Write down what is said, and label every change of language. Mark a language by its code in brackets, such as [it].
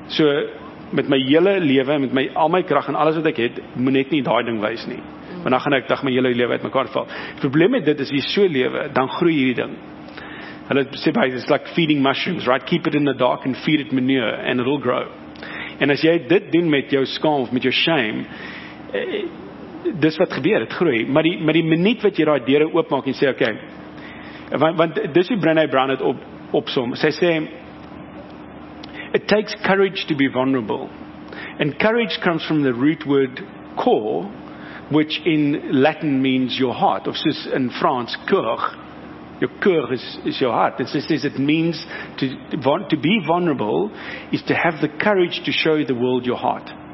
[af] So, met my hele lewe, met my al my krag en alles wat ek het, moet net nie daai ding wys nie, want dan gaan ek dag my hele lewe uit mekaar val. Het probleem met dit is, wie so lewe, dan groei hierdie ding. Hulle sê by, [en] it's like feeding mushrooms, right? Keep it in the dark and feed it manure, and it'll grow. [af] En as jy dit doen met jou skam of met jou shame, dis wat gebeur, het groei. Maar die minuut wat jy daai deure oopmaak en sê, oké, okay, want dis hoe Brené Brown het opsom. Sy sê, [en] it takes courage to be vulnerable. And courage comes from the root word cor, which in Latin means your heart. [af] Of soos in Frans, [en] cœur. Your cœur is your heart. And [af] sy sê, [en] it means to be vulnerable is to have the courage to show the world your heart.